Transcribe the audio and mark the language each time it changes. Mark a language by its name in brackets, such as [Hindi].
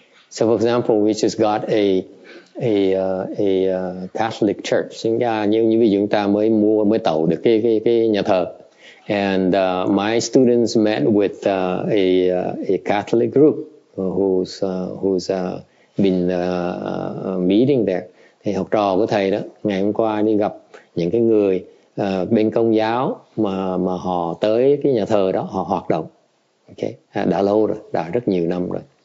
[English] So for example, we just got a Catholic church. [Vietnamese] Như ví dụ chúng ta mới tậu được cái nhà thờ. [English] And my students met with a Catholic group who's been meeting there. [Vietnamese] Thì học trò của thầy đó ngày hôm qua đi gặp những cái người bên Công giáo mà họ tới cái nhà thờ đó họ hoạt động. Okay, đã lâu rồi, đã rất nhiều năm rồi.